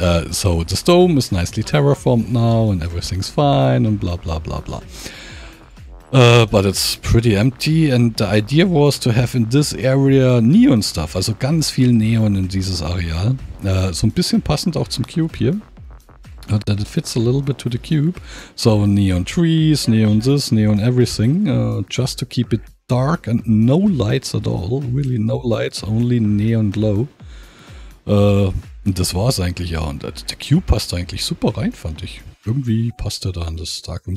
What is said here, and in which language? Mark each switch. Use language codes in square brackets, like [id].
[en] So this dome is nicely terraformed now and everything's fine and blah blah blah blah. But it's pretty empty and the idea was to have in this area neon stuff, [de] also ganz viel Neon in dieses Areal. So ein bisschen passend auch zum Cube hier. [en] That it fits a little bit to the cube. So neon trees, neon this, neon everything, just to keep it dark and no lights at all. Really no lights, only neon glow. [de] Das war's eigentlich, ja. Und the cube passt eigentlich super rein, fand ich. Irgendwie passt er da in das Darkroom.